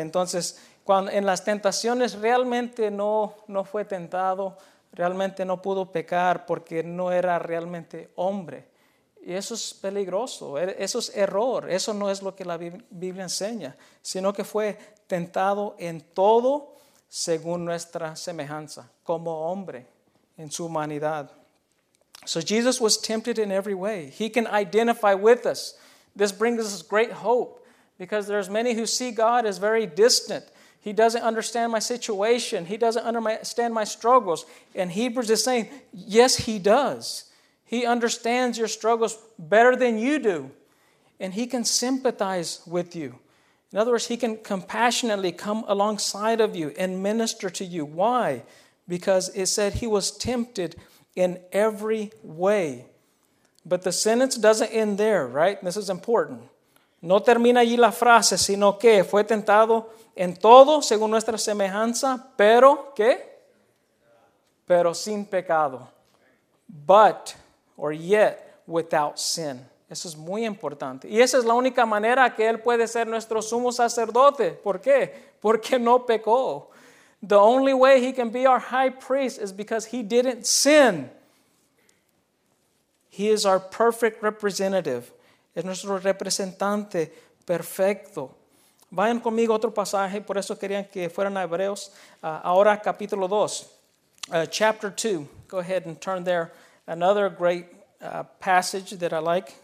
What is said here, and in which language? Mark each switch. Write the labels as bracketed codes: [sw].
[es] Entonces, cuando en las tentaciones realmente no fue tentado, realmente no pudo pecar porque no era realmente hombre. Y eso es peligroso, eso es error, eso no es lo que la Biblia enseña, sino que fue tentado en todo según nuestra semejanza, como hombre, en su humanidad. [en] So Jesus was tempted in every way. He can identify with us. This brings us great hope because there's many who see God as very distant. He doesn't understand my situation. He doesn't understand my struggles. And Hebrews is saying, yes, he does. He understands your struggles better than you do. And he can sympathize with you. In other words, he can compassionately come alongside of you and minister to you. Why? Because it said he was tempted in every way. But the sentence doesn't end there, right? This is important. [es] No termina allí la frase, sino que fue tentado en todo según nuestra semejanza, pero ¿qué? Pero sin pecado. [en] But, or yet, without sin. [es] Eso es muy importante. Y esa es la única manera que él puede ser nuestro sumo sacerdote. ¿Por qué? Porque no pecó. [en] The only way he can be our high priest is because he didn't sin. He is our perfect representative. [es] Es nuestro representante perfecto. Vayan conmigo a otro pasaje. Por eso querían que fueran a Hebreos. Ahora capítulo 2. [en] Chapter 2. Go ahead and turn there. Another great passage that I like.